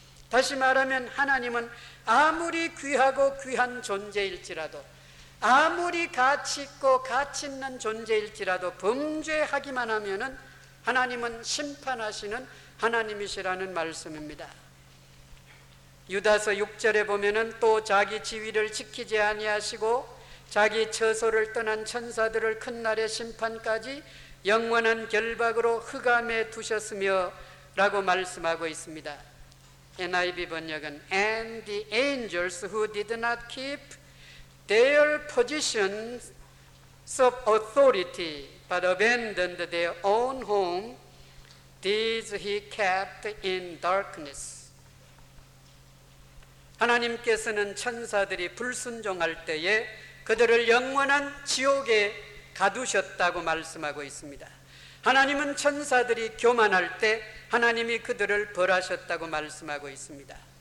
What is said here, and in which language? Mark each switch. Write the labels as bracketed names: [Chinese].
[Korean] 다시 말하면 하나님은 아무리 귀하고 귀한 존재일지라도, 아무리 가치 있고 가치 있는 존재일지라도 범죄하기만 하면은 하나님은 심판하시는 하나님이시라는 말씀입니다. 유다서 6절에 보면은 또 자기 지위를 지키지 아니하시고 자기 처소를 떠난 천사들을 큰 날의 심판까지 영원한 결박으로 흑암에 두셨으며 라고 말씀하고 있습니다. NIV 번역은 [English] And the angels who did not keep their positions of authority but abandoned their own home, these he kept in darkness. [Korean] 하나님께서는 천사들이 불순종할 때에 그들을 영원한 지옥에 가두셨다고 말씀하고 있습니다. 하나님은 천사들이 교만할 때 하나님이 그들을 벌하셨다고 말씀하고 있습니다.